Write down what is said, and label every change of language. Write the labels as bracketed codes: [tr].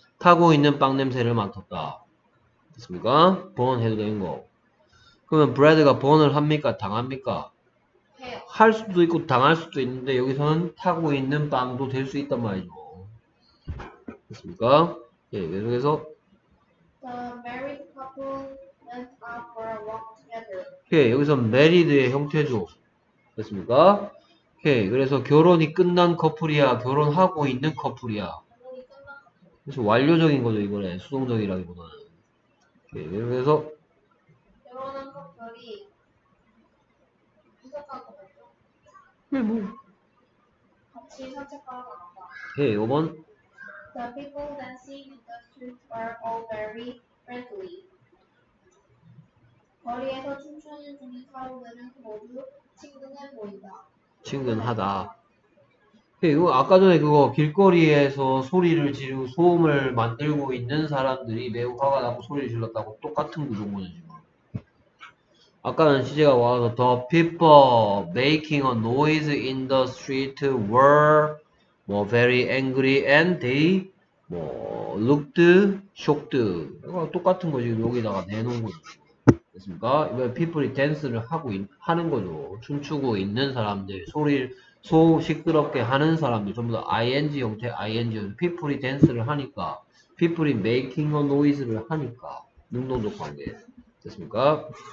[ko] 타고 있는 빵 냄새를 맡았다. 됐습니까? burn 해도 되는 거. 그러면 bread가 burn을 합니까? 당합니까? 해요. 할 수도 있고 당할 수도 있는데 여기서는 타고 있는 빵도 될 수 있단 말이죠. 됐습니까? 예, 계속해서. [en] The married couple went out for a walk together. [ko] 예, 여기서 married의 형태죠. 됐습니까? 예, 그래서 결혼이 끝난 커플이야? 결혼하고 있는 커플이야? 그래서 완료적인 거죠, 이번에. 수동적이라기보다는. 오케이, 그래서 결혼한 커플이 해석한 거 같죠? 네, 뭐 같이 산책하러 나갔다. 네, 요번 [en] The people dancing in the street are all very friendly. [ko] 거리에서 춤추는 중인 사람들은 모두 친근해 보인다. 친근하다. 예, 이거 아까 전에 그거 길거리에서 소리를 지르고 소음을 만들고 있는 사람들이 매우 화가 나고 소리를 질렀다고 똑같은 구조거든요 지금. 아까는 시제가 와서 [en] The people making a noise in the street were 뭐 very angry and they 뭐 looked shocked. [ko] 이거 똑같은 거 지금 여기다가 내놓은 거죠. 됐습니까? 이번에 people이 댄스를 하고 하는 거죠. 춤추고 있는 사람들 소리를 시끄럽게 하는 사람들 전부 다 ing 형태 ing. people이 댄스를 하니까 people이 [en] making a noise [ko] 를 하니까 능동적 관계 됐습니까?